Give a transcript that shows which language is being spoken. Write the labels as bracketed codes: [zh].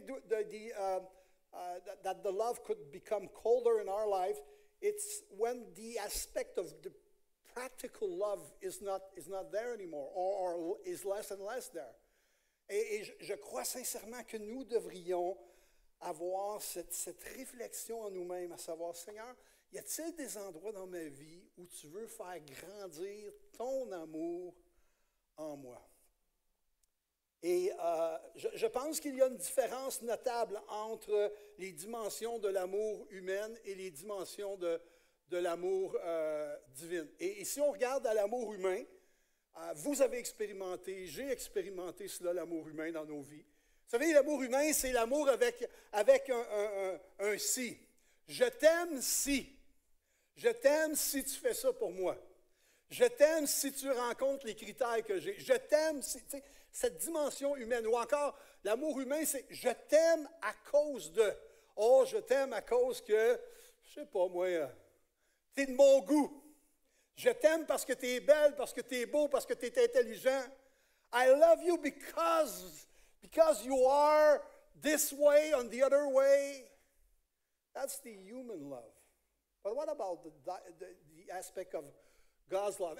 [en] I think that the love could become colder in our life. It's when the aspect of the practical love is not there anymore or is less and less there. [fr] Et je crois sincèrement que nous devrions avoir cette réflexion en nous-mêmes, à savoir, Seigneur, y a-t-il des endroits dans ma vie où tu veux faire grandir ton amour en moi? Et je pense qu'il y a une différence notable entre les dimensions de l'amour humaine et les dimensions de l'amour divin. Et si on regarde à l'amour humain, vous avez expérimenté, j'ai expérimenté cela, l'amour humain dans nos vies. Vous savez, l'amour humain, c'est l'amour avec un « si ». Je t'aime si. Je t'aime si tu fais ça pour moi. Je t'aime si tu rencontres les critères que j'ai. Je t'aime si, tu sais, cette dimension humaine. Ou encore, l'amour humain, c'est je t'aime à cause de. Oh, je t'aime à cause que, je sais pas moi, t'es de mon goût. Je t'aime parce que t'es belle, parce que t'es beau, parce que t'es intelligent. [en] I love you because you are this way and the other way. That's the human love. But what about the aspect of God's love?